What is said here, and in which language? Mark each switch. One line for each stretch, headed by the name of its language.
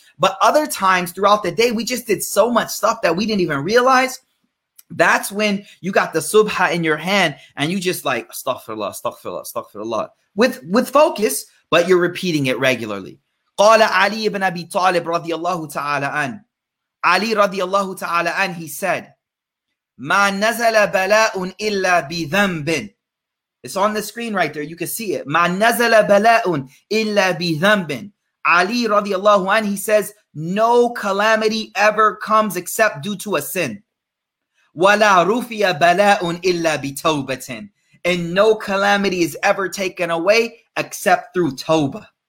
English: But other times throughout the day, we just did so much stuff that we didn't even realize. That's when you got the subha in your hand and you just like, astaghfirullah, astaghfirullah, astaghfirullah. With focus, but you're repeating it regularly.
Arabic: قَالَ عَلِي بْنَ أَبِي طَالِبْ رَضِيَ اللَّهُ تَعَالَىٰ عَنْهُ. Ali رَضِيَ اللَّهُ تَعَالَىٰ عَنْهُ,
English: he said,
Arabic: مَا نَزَلَ بَلَاءٌ إِلَّا بِذَنْبٍ.
English: It's on the screen right there. You can see it.
Arabic: مَا نَزَلَ بَلَاءٌ إِلَّا بِذَنْبٍ.
English: Ali
Arabic: رَضِيَ اللَّهُ عَنْهُ,
English: he says, no calamity ever comes except due to a sin.
Arabic: وَلَا رُفِيَ بَلَاءٌ إِلَّا بِتَوْبَةٍ.
English: And no calamity is ever taken away except through tawbah.